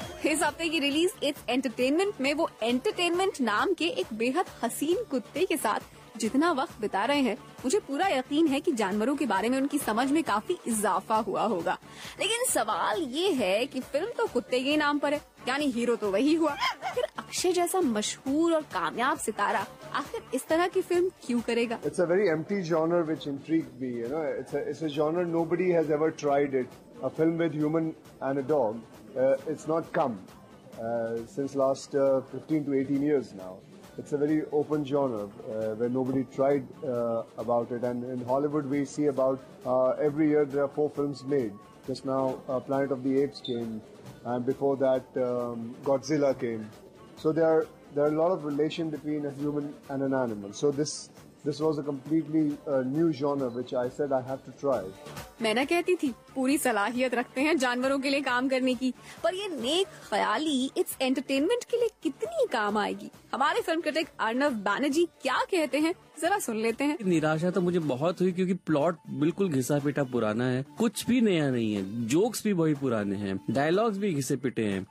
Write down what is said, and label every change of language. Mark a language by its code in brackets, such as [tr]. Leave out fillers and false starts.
[hi] इस हफ्ते की रिलीज इट्स एंटरटेनमेंट में वो एंटरटेनमेंट नाम के एक बेहद हसीन कुत्ते के साथ जितना वक्त बिता रहे हैं, मुझे पूरा यकीन है कि जानवरों के बारे में उनकी समझ में काफी इजाफा हुआ होगा। लेकिन सवाल ये है कि फिल्म तो कुत्ते के नाम पर है, यानी हीरो तो वही हुआ, फिर अक्षय जैसा मशहूर और कामयाब सितारा आखिर इस तरह की फिल्म क्यों करेगा? [en] It's a very empty genre which intrigued me, you know. It's a genre nobody has ever tried it. A film with human and a dog. It's not come since last 15 to 18 years now. It's a very open genre where nobody tried about it. And in Hollywood, we see about every year there are four films made. Just now, Planet of the Apes came, and before that, Godzilla came. So there are a lot of relation between a human and an animal. So this was a completely new genre which I said I have to try. [hi] मैंने कहती थी पूरी सलाहियत रखते हैं जानवरों के लिए काम करने की, पर ये नेक ख्याली इट्स एंटरटेनमेंट के लिए कितनी काम आएगी? हमारे फिल्म क्रिटिक अर्णव बैनर्जी क्या कहते हैं जरा सुन लेते हैं। निराशा तो मुझे बहुत हुई क्योंकि प्लॉट बिल्कुल घिसा पिटा पुराना है, कुछ भी नया नहीं है, जोक्स भी बहुत पुराने हैं, डायलॉग्स भी घिसे पिटे हैं।